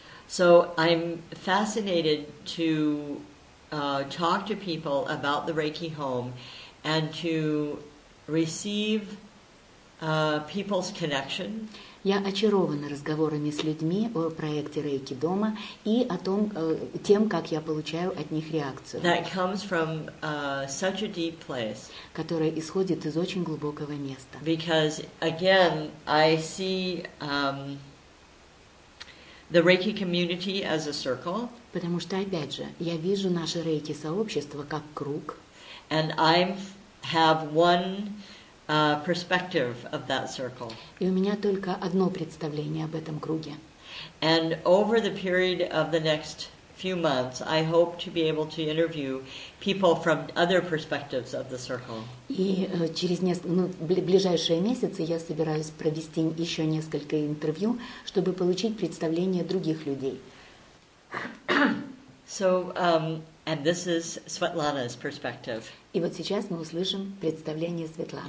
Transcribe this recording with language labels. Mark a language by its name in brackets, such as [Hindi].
[English] So I'm fascinated to talk to people about the Reiki home and to receive people's connection. [Russian] Я очарована разговорами с людьми о проекте Рейки дома и о том, тем, как я получаю от них реакцию. [English] That comes from such a deep place. [Russian] Которая исходит из очень глубокого места. [English] Because again, I see the Reiki community as a circle. [Russian] Потому что опять же, я вижу наше Рейки сообщество как круг. [English] And I have one perspective of that circle. [Russian] И у меня только одно представление об этом круге. [English] And over the period of the next few months, I hope to be able to interview people from other perspectives of the circle. [Russian] И через ближайшие месяцы я собираюсь провести еще несколько интервью, чтобы получить представление других людей. [English] So, and this is Svetlana's perspective. [Russian] И вот сейчас мы услышим представление Светланы.